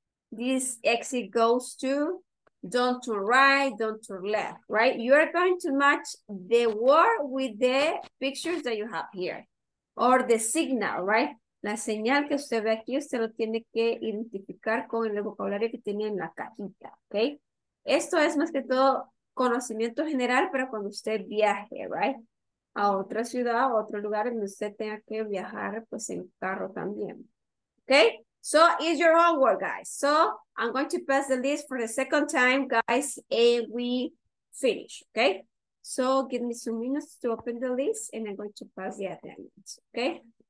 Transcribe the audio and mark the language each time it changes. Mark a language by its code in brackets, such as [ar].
[en] This exit goes to, don't turn right, don't turn left, right? You are going to match the word with the pictures that you have here, or the signal, right? [es] La señal que usted ve aquí, usted lo tiene que identificar con el vocabulario que tiene en la cajita, okay? Esto es más que todo conocimiento general para cuando usted viaje, right? A otra ciudad, a otro lugar donde usted tenga que viajar, pues en carro también. [en] Okay? So, it's your homework, guys. So, I'm going to pass the list for the second time, guys, and we finish, okay? So, give me some minutes to open the list, and I'm going to pass the attendance, okay?